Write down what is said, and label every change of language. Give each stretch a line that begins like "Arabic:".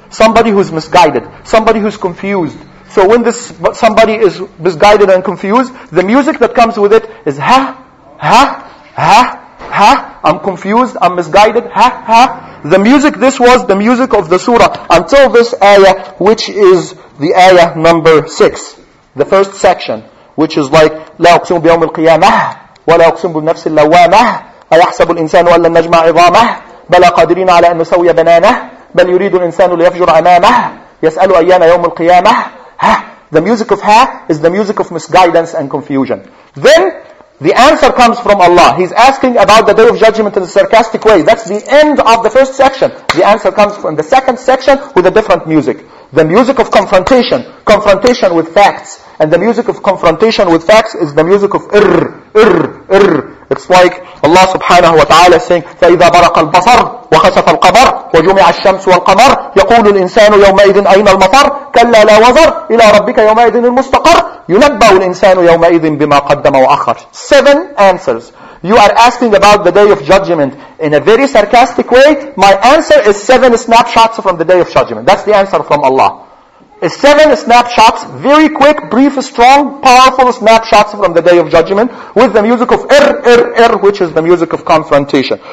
English: Somebody who's misguided, somebody who's confused. So when this somebody is misguided and confused, the music that comes with it is ha, ha, ha, ha, I'm confused, I'm misguided, ha, ha. The music, this was the music of the surah until this ayah, which is the ayah number 6. The first section, which is like,
Arabic: لا أقسم بيوم القيامة ولا أقسم بالنفس اللوامة أيحسب الإنسان أن لن نجمع عظامه بل قادرين على أن نسوي بنانه بل يريد الإنسان ليفجر أمامه يسأل أيان يوم القيامة. Ha.
English: The music of ha is the music of misguidance and confusion. Then, the answer comes from Allah. He's asking about the Day of Judgment in a sarcastic way. That's the end of the first section. The answer comes from the second section with a different music. The music of confrontation. Confrontation with facts. And the music of confrontation with facts is the music of irr, irr, irr. It's like Allah subhanahu wa ta'ala saying,
Arabic: فَإِذَا بَرَقَ الْبَصَرُ وَخَسَفَ الْقَمَرُ وَجُمِعَ الشَّمْسُ وَالْقَمَرُ يَقُولُ الْإِنسَانُ يَوْمَئِذٍ أَيْنَ الْمَفَرُ كَلَّا لَا وَزَرُ إِلَى رَبِّكَ يَوْمَئِذٍ الْمُسْتَقَرُ يُنَبَّأُ الْإِنسَانُ يَوْمَئِذٍ بِمَا قَدَّمَ وَأَخَّرَ.
English: 7 answers. You are asking about the Day of Judgment in a very sarcastic way. My answer is 7 snapshots from the Day of Judgment. That's the answer from Allah. 7 snapshots, very quick, brief, strong, powerful snapshots from the Day of Judgment with the music of ir, ir, ir, which is the music of confrontation.